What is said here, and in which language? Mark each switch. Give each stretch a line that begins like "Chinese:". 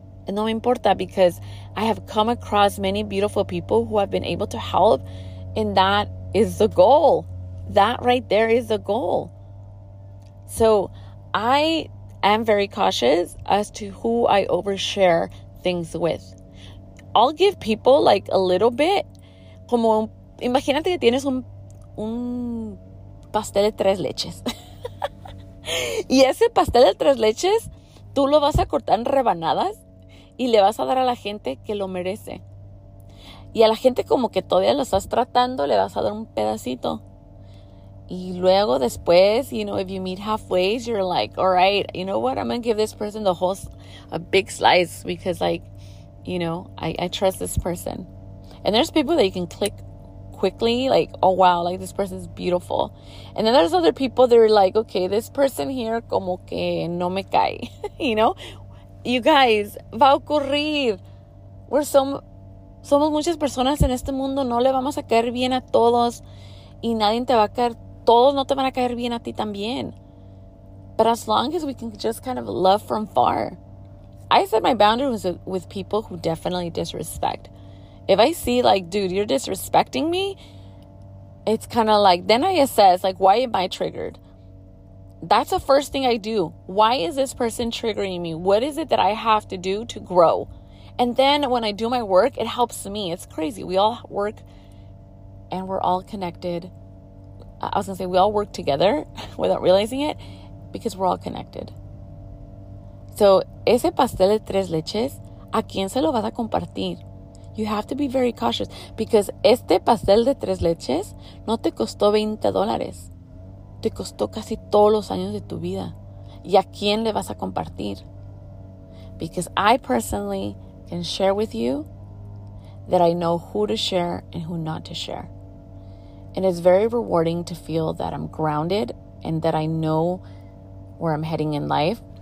Spanish: No me importa,
English: because I have come across many beautiful people who have been able to help, and that is the goal. That right there is the goal. So I am very cautious as to who I overshare things with. I'll give people like a little bit,
Spanish: como un. Imagínate que tienes un pastel de tres leches. Y ese pastel de tres leches, tú lo vas a cortar en rebanadas y le vas a dar a la gente que lo merece. Y a la gente como que todavía lo estás tratando, le vas a dar un pedacito. Y luego después,
English: you know, if you meet halfway, you're like, all right, you know what? I'm going to give this person the whole, a big slice, because like, you know, I trust this person. And there's people that you can click quickly, like, oh wow, like this person is beautiful. And then there's other people that are like, okay, this person here
Spanish: como que no me cae.
English: You know, you guys,
Spanish: va a ocurrir. Somos muchas personas en este mundo, no le vamos a caer bien a todos, y nadie te va a caer, todos no te van a caer bien a ti también.
English: But as long as we can just kind of love from far, I set my boundaries with people who definitely disrespect. If I see, like, dude, you're disrespecting me, it's kind of like, then I assess, like, why am I triggered? That's the first thing I do. Why is this person triggering me? What is it that I have to do to grow? And then when I do my work, it helps me. It's crazy. We all work and we're all connected. I was going to say, we all work together without realizing it, because we're all connected.
Spanish: So, ese pastel de tres leches, ¿a quién se lo vas a compartir?
English: You have to be very cautious, because
Spanish: este pastel de tres leches no te costó $20. Te costó casi todos los años de tu vida. ¿Y a quién le vas a compartir?
English: Because I personally can share with you that I know who to share and who not to share. And it's very rewarding to feel that I'm grounded and that I know where I'm heading in life.